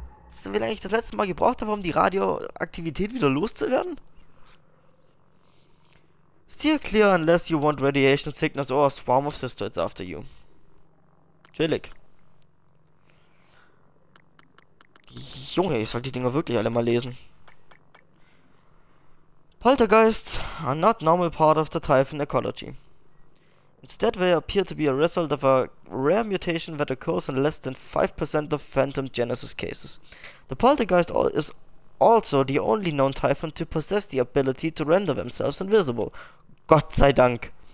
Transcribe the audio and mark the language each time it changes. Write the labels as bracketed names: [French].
[German] Was haben wir eigentlich das letzte Mal gebraucht, um die Radioaktivität wieder loszuwerden? [English] Steer clear unless you want radiation sickness or a swarm of cystoids after you. [German] Chillig. Junge, ich soll die Dinger wirklich alle mal lesen. [English] Poltergeists are not normal part of the Typhon ecology. Instead, they appear to be a result of a rare mutation that occurs in less than 5% of Phantom Genesis cases. The Poltergeist is also the only known Typhon to possess the ability to render themselves invisible. [German] Gott sei Dank!